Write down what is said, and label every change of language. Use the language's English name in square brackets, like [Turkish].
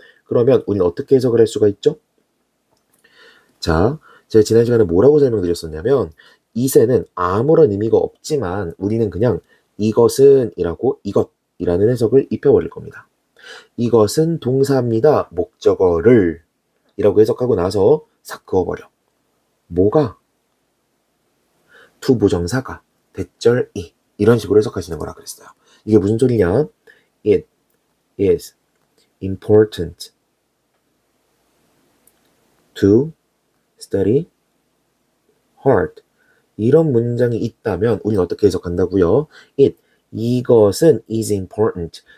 [Korean] 그러면 우리는 어떻게 해석을 할 수가 있죠? 자, 제가 지난 시간에 뭐라고 설명드렸었냐면, it에는 아무런 의미가 없지만 우리는 그냥 이것은 이라고 이것이라는 해석을 입혀버릴 겁니다. 이것은 동사입니다. 목적어를 이라고 해석하고 나서 싹 그어버려. 뭐가? to 부정사가 대절 이 이런 식으로 해석하시는 거라 그랬어요. 이게 무슨 소리냐? [English] It is important to study hard. [Korean] 이런 문장이 있다면 우리는 어떻게 해석한다고요? [English] It, [Korean] 이것은 [English] is important.